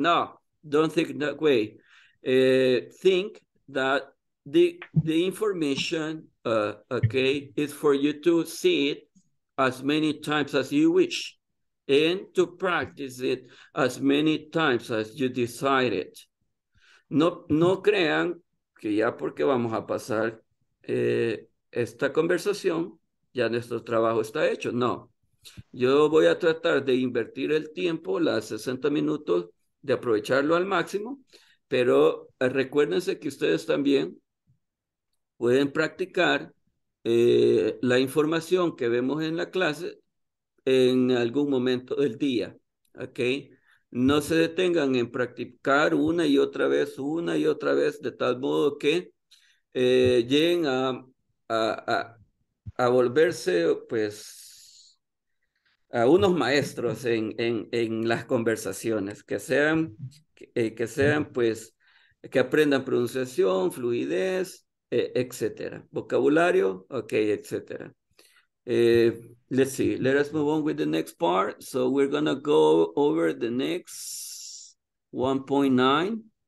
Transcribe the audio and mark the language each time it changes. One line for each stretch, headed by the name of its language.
English: No, don't think that way. Think that the information, okay, is for you to see it as many times as you wish and to practice it as many times as you decide it.
Spanish: No crean que ya porque vamos a pasar esta conversación, ya nuestro trabajo está hecho. No. Yo voy a tratar de invertir el tiempo, las 60 minutos, de aprovecharlo al máximo, pero recuérdense que ustedes también pueden practicar la información que vemos en la clase en algún momento del día, ¿ok? No se detengan en practicar una y otra vez, de tal modo que lleguen a volverse, pues, a unos maestros en las conversaciones, que aprendan pronunciación, fluidez, etcétera. Vocabulario, okay, etcétera.
English: Let's see, let us move on with the next part. So we're gonna go over the next 1.9.